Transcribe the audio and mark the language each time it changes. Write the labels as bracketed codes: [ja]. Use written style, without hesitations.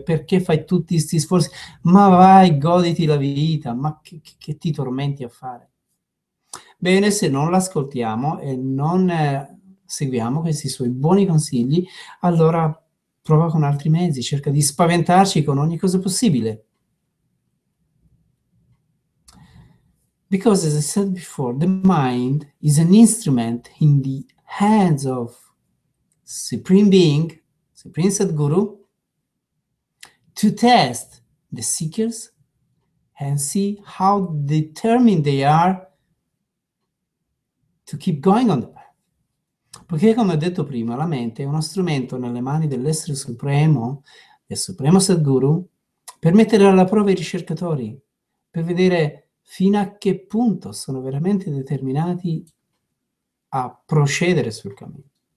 [it] Perché fai tutti questi sforzi? Ma vai, goditi la vita, ma che ti tormenti a fare? Bene, se non l'ascoltiamo e non seguiamo questi suoi buoni consigli, allora prova con altri mezzi, cerca di spaventarci con ogni cosa possibile. [en] Because, as I said before, the mind is an instrument in the hands of Supreme Being, Supreme Satguru, to test the seekers and see how determined they are to keep going on the path. [it] Perché, come ho detto prima, la mente è uno strumento nelle mani dell'essere supremo, del Supremo Satguru, per mettere alla prova i ricercatori, per vedere fino a che punto sono veramente determinati a procedere sul cammino.